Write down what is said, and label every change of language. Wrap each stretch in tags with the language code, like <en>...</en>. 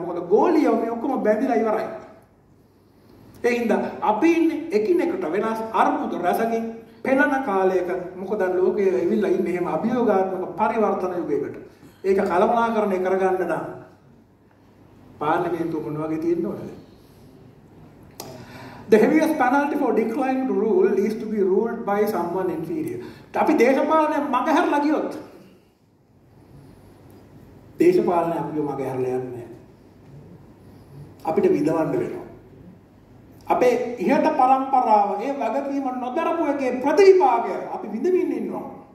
<si>මොකද ගෝලියෝ මේ ඔක්කොම බැඳිලා ඉවරයි. ඒ හින්දා අපි ඉන්නේ එකිනෙකට වෙනස් අර්බුද රසකින් පෙළන කාලයක. මොකද ලෝකයේ ඇවිල්ලා ඉන්නේ එහෙම අභියෝගාත්මක පරිවර්තන යුගයකට. ඒක කලමනාකරණය කරගන්න නම් පාර්ලිමේන්තුව මොන වගේ තියෙන්න ඕනද?</si> <en>The heaviest penalty for declining to rule is to be ruled by someone inferior.</en> <si>අපි දේශපාලනය මගහැරලා ගියොත් දේශපාලනය අපිව මග හැරලා යන්නේ. අපිට විඳවන්න වෙනවා. අපේ ඉහත පරම්පරාව ඒ වගකීම නොදරපු එකේ ප්‍රතිපාගය අපි විඳවින්න ඉන්නවා.</si>